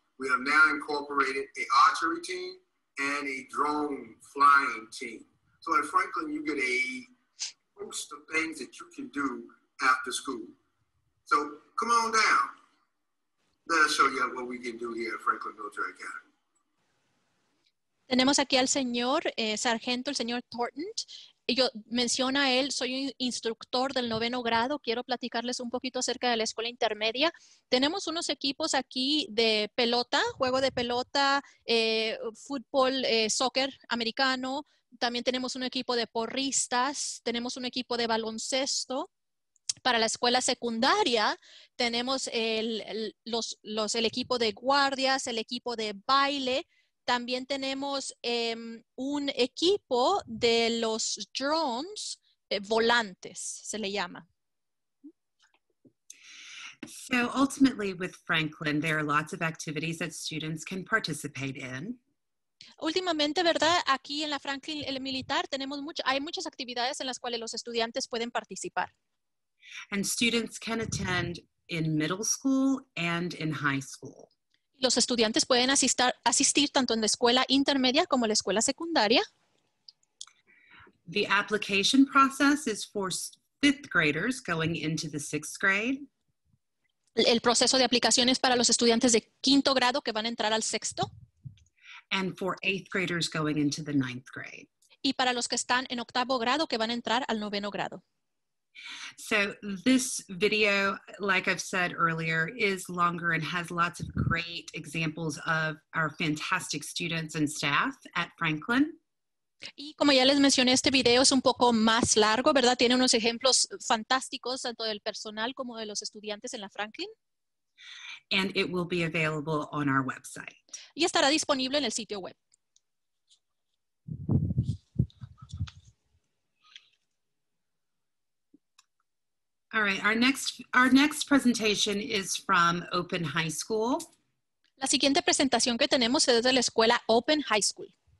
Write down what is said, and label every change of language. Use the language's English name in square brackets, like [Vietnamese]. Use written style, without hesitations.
[English] We have now incorporated an archery team and a drone flying team. So at Franklin, you get a host of things that you can do after school. So come on down. Let us show you what we can do here at Franklin Military Academy. [Spanish] Tenemos aquí al señor sargento, el señor Thornton. Menciona él, soy un instructor del noveno grado, quiero platicarles un poquito acerca de la escuela intermedia. Tenemos unos equipos aquí de pelota, juego de pelota, fútbol, soccer americano, también tenemos un equipo de porristas, tenemos un equipo de baloncesto. Para la escuela secundaria tenemos el equipo de guardias, el equipo de baile. También tenemos un equipo de los drones volantes, se le llama. [English] So ultimately with Franklin, there are lots of activities that students can participate in. [Spanish] Últimamente, ¿verdad? Aquí en la Franklin el Militar tenemos hay muchas actividades en las cuales los estudiantes pueden participar. [English] And students can attend in middle school and in high school. [Spanish] Los estudiantes pueden asistir tanto en la escuela intermedia como en la escuela secundaria. [English] The application process is for fifth graders going into the sixth grade. [Spanish] El proceso de aplicación es para los estudiantes de quinto grado que van a entrar al sexto. [English] and for eighth graders going into the ninth grade. [Spanish] Y para los que están en octavo grado que van a entrar al noveno grado. [English] So this video, like I've said earlier, is longer and has lots of great examples of our fantastic students and staff at Franklin. [Spanish] Y como ya les mencioné, este video es un poco más largo, ¿verdad? Tiene unos ejemplos fantásticos tanto del personal como de los estudiantes en la Franklin. [English] And it will be available on our website. [Spanish] Y estará disponible en el sitio web. [English] All right, our next presentation is from Open High School. [Spanish] La siguiente presentación que tenemos es de la escuela Open High School.